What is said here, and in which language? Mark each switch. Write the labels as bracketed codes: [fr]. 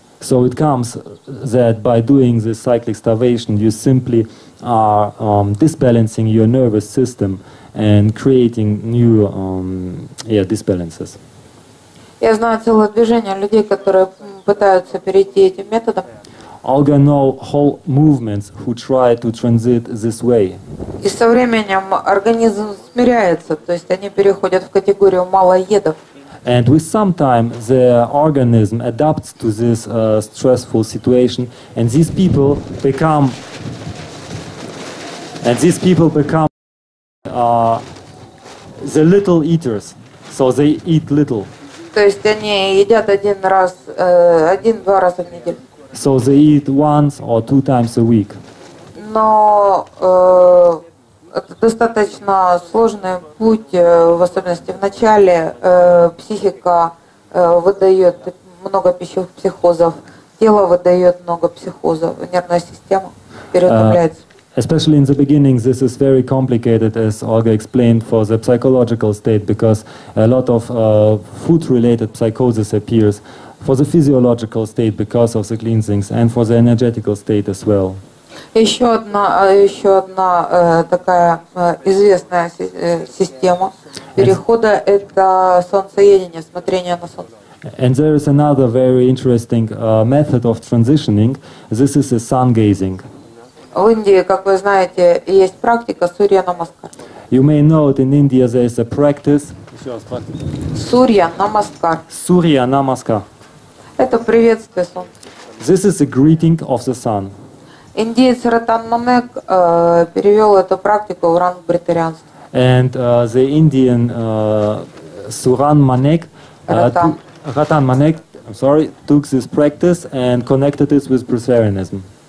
[en] So it comes that by doing this cyclic starvation, you simply are disbalancing your nervous system and creating new disbalances. [ru] Я знаю целое движение людей, которые пытаются перейти этим методом. [en] Olga know whole movements who try to transit this way. [ru] И со временем организм смиряется, то есть они переходят в категорию малоедов. [en] And with some time, the organism adapts to this stressful situation, and these people become the little eaters, so they eat little. [ru] То есть они едят один раз, один-два раза в неделю. [en] So they eat once or two times a week. [ru] Но это достаточно сложный путь, в особенности в начале. Психика выдает много пищевых психозов, тело выдает много психозов, нервная система переутомляется. [en] Especially in the beginning, this is very complicated, as Olga explained, for the psychological state, because a lot of food-related psychosis appears, for the physiological state because of the cleansings, and for the energetical state as well. [ru] Еще одна такая известная система перехода – это солнцеедение, смотрение на солнце. [en] And there is another very interesting method of transitioning. This is the sun gazing. [ru] В Индии, как вы знаете, есть практика Сурья Намаскар. [en] You may know that in India there is a practice. [ru] Сурья Намаскар. Сурья Намаскар. Это приветствие солнца. [en] This is a greeting of the sun. [ru] Индиец Ратан Намек перевел эту практику в ранг бритарианства. [en] And the Indian Suran Manek, Ratan Manek, I'm sorry, took this practice and connected it with breatharianism.